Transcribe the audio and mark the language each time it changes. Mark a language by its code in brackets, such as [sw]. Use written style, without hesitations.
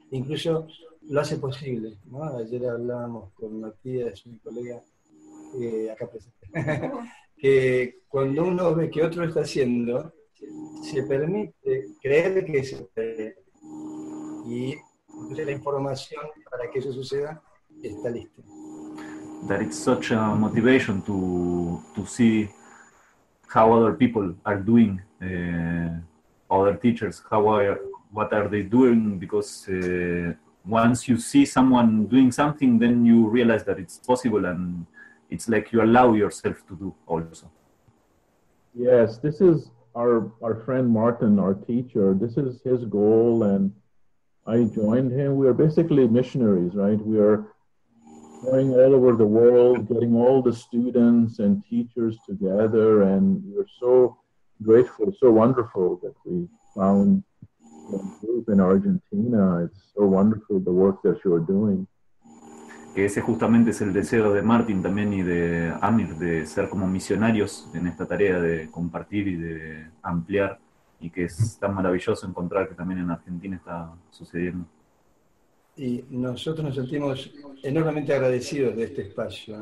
[es] Incluso lo hace posible, ¿no? Ayer hablábamos con Matías, mi colega, acá presente, que cuando uno ve que otro está haciendo, se permite creer que se puede. Y entonces la información para que eso suceda está lista. [en] That it's such a motivation to see how other people are doing, other teachers, what are they doing, because once you see someone doing something, then you realize that it's possible and it's like you allow yourself to do also. Yes, this is our friend Martin, our teacher. This is his goal and I joined him. We are basically missionaries, right? We are going all over the world, getting all the students and teachers together, and we're so grateful, so wonderful that we found a group in Argentina. It's so wonderful the work that you're doing. [es] Ese justamente es el deseo de Martin también y de Amir, de ser como misionarios en esta tarea de compartir y de ampliar, y que es tan maravilloso encontrar que también en Argentina está sucediendo. Y nosotros nos sentimos enormemente agradecidos de este espacio.